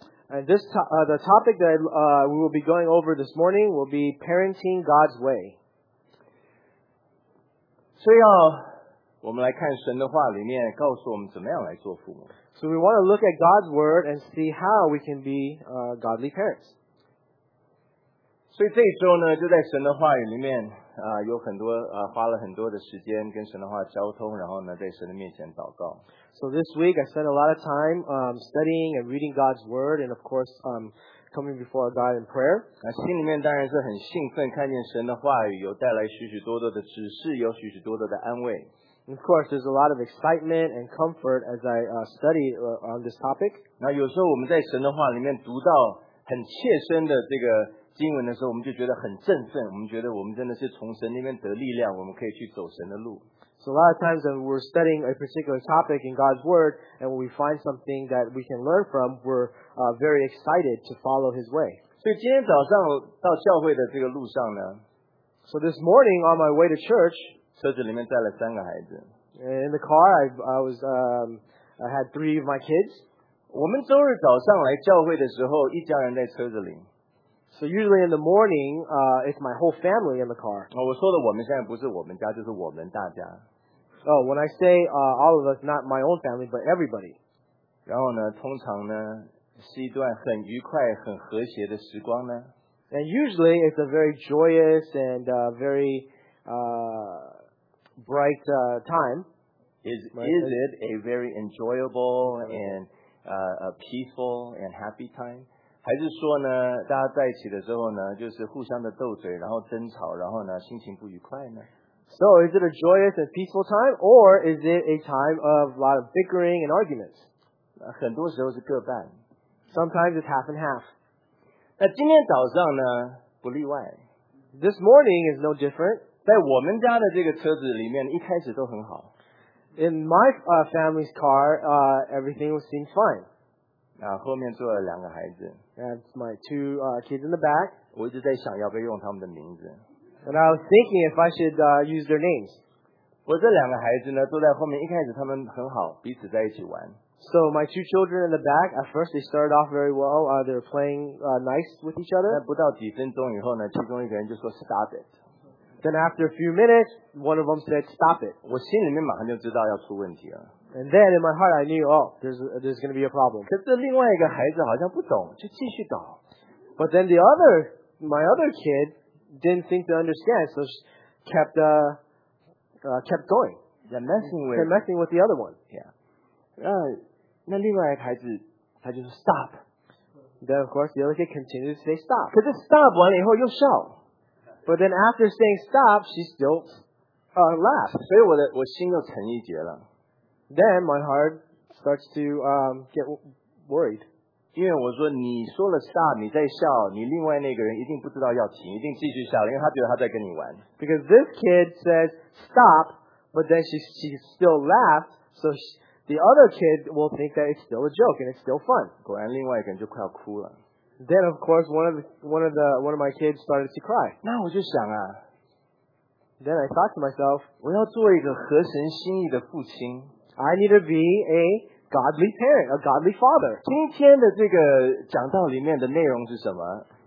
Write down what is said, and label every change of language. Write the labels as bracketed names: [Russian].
[English] And this the topic that we will be going over this morning will be parenting God's way. [Chinese] 所以要我们来看神的话里面告诉我们怎么样来做父母。 [English] So we want to look at God's word and see how we can be godly parents. [Chinese] 所以这一周呢，就在神的话语里面有很多花了很多的时间跟神的话交通，然后呢，在神的面前祷告。 [English] So this week I spent a lot of time studying and reading God's word, and of course coming before God in prayer. [Chinese] 心里面当然是很兴奋，看见神的话语有带来许许多多的指示，有许许多多的安慰。 [English] And of course, there's a lot of excitement and comfort as I study on this topic. [Chinese] 那有时候我们在神的话里面读到很切身的这个经文的时候，我们就觉得很振奋，我们觉得我们真的是从神那边得力量，我们可以去走神的路。 [English] So a lot of times when we're studying a particular topic in God's word, and when we find something that we can learn from, we're very excited to follow His way. [Chinese] 所以今天早上到教会的这个路上呢 [English] ，So this morning on my way to church. [Chinese] 车子里面带了三个孩子。 [English] In the car, I had three of my kids. [Chinese] 我们周日早上来教会的时候，一家人在车子里。 [English] So usually in the morning, it's my whole family in the car. [Chinese] 我说的我们现在不是我们家，就是我们大家。 [English] Oh, when I say all of us, not my own family, but everybody. [Chinese] 然后呢，通常呢，是一段很愉快、很和谐的时光呢。 [English] And usually it's a very joyous and very bright time. Is it a very enjoyable and a peaceful and happy time? [Chinese] 还是说呢，大家在一起的时候呢，就是互相的斗嘴，然后争吵，然后呢，心情不愉快呢 [English] ？So is it a joyous and peaceful time, or is it a time of a lot of bickering and arguments? [Chinese] 很多时候是各半。 [English] Sometimes it's half and half. [Chinese] 那今天早上呢，不例外。 [English] This morning is no different. [Chinese] 在我们家的这个车子里面，一开始都很好。 [English] In my family's car, everything seems fine. [Chinese] 后面坐了两个孩子。 [English] That's my two kids in the back. [Chinese] 我一直在想要不要用他们的名字。 [English] And I was thinking if I should use their names. [Chinese] 我这两个孩子呢，坐在后面，一开始他们很好，彼此在一起玩。 [English] So my two children in the back, at first they started off very well. They're playing nice with each other. [Chinese] 但不到几分钟以后呢，其中一个人就说 [English] stop it. Then after a few minutes, one of them said stop it. [Chinese] 我心里面马上就知道要出问题了。 [English] And then in my heart, I knew, oh, there's going to be a problem. [Chinese] 可是另外一个孩子好像不懂，就继续捣。 [English] But then my other kid didn't seem to understand, so she kept going. Kept messing with the other one. Yeah. [Chinese] 那另外一个孩子他就是 stop. [English] Then of course, the other kid continued to say stop. [Chinese] 可是 stop 完了以后又笑。 [English] But then after saying stop, she still laughed. [Chinese] 所以我心又沉一截了。 [English] Then my heart starts to get worried. [Chinese] 因为我说你说了 stop, 你在笑，你另外那个人一定不知道要停，一定继续笑，因为他觉得他在跟你玩。 [English] Because this kid says stop, but then she still laughs, so the other kid will think that it's still a joke and it's still fun. [Chinese] 果然另外一个人就快要哭了。 [English] Then of course one of my kids started to cry. [Chinese] 那我就想啊。 [English] Then I thought to myself, [Chinese] 我要做一个合神心意的父亲。 [English] I need to be a godly parent, a godly father. [Chinese] 今天的这个讲道里面的内容是什么